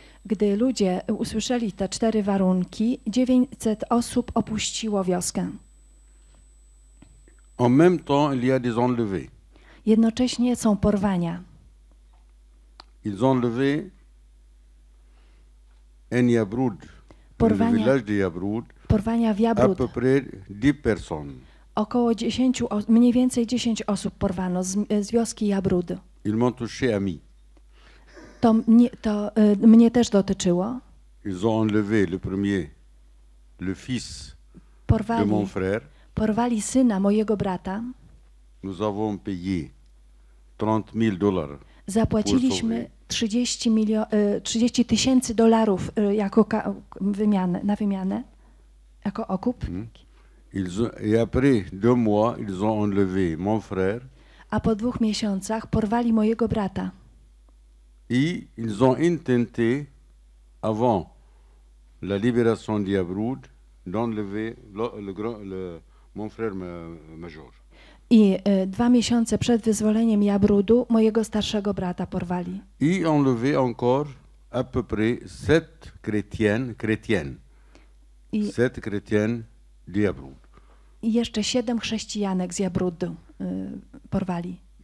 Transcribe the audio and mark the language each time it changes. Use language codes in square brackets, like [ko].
[pl] Gdy ludzie usłyszeli te cztery warunki, 900 osób opuściło wioskę. [fr] En même temps, il y a des enlevés. [pl] Jednocześnie są porwania. [fr] Ils ont enlevé en Yabroud, [pl] porwania, [fr] le village de Yabroud, [pl] porwania w Yabroud. [fr] À peu près 10 personnes. [pl] Około 10, mniej więcej 10 osób porwano z wioski Yabroud. [fr] Ils m'ont touché à mi. [pl] To mnie, to mnie też dotyczyło. [fr] Ils ont enlevé le premier, le fils [pl] porwali, [fr] de mon frère. [pl] Porwali syna mojego brata. [fr] Nous avons payé 30 000 dollars. [pl] Zapłaciliśmy 30 tysięcy dolarów jako wymianę, na wymianę, jako okup. [fr] Et après deux mois, ils ont enlevé mon frère. [pl] A po dwóch miesiącach porwali mojego brata. [fr] I ils ont intenté avant la libération de Yabroud d'enlever mon frère major. [pl] I dwa miesiące przed wyzwoleniem Yabroudu mojego starszego brata porwali. [fr] I enlevé encore à peu près sept chrétiennes. Sept chrétiennes de Yabroud. [pl] I jeszcze siedem chrześcijanek z Yabroudu porwali.